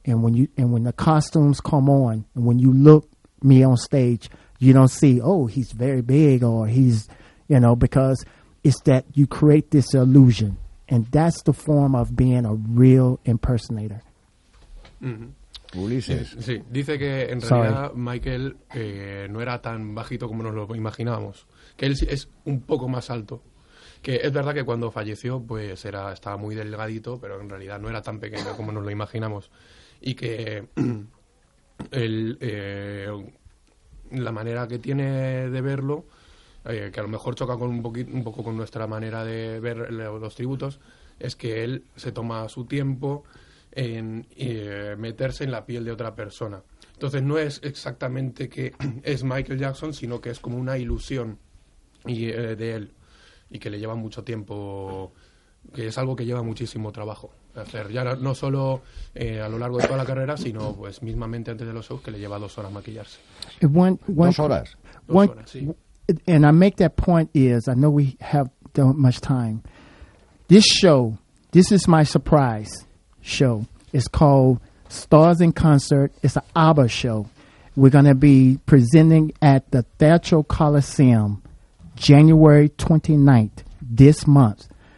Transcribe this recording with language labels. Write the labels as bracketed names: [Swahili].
[English] And when the costumes come on, and when you look me on stage, you don't see, oh, he's very big, or he's, you know, because it's that you create this illusion, and that's the form of being a real impersonator. Mm-hmm. Ulises, [Spanish] sí, dice que en realidad Michael no era tan bajito como nos lo imaginábamos. Que él es un poco más alto. Que es verdad que cuando falleció, pues estaba muy delgadito, pero en realidad no era tan pequeño como nos lo imaginamos. Y que él la manera que tiene de verlo, que a lo mejor choca con un poco con nuestra manera de ver los tributos, es que él se toma su tiempo en meterse en la piel de otra persona. Entonces no es exactamente que es Michael Jackson, sino que es como una ilusión de él y que le lleva mucho tiempo, que es algo que lleva muchísimo trabajo hacer, ya no solo a lo largo de toda la carrera, sino pues mismamente antes de los shows, que le lleva 2 horas maquillarse. Dos horas, sí. [English] And I make that point is, I know we have don't much time. This show, this is my surprise show. It's called Stars in Concert. It's an ABBA show. We're going to be presenting at the Thatcher Coliseum January 29th, this month.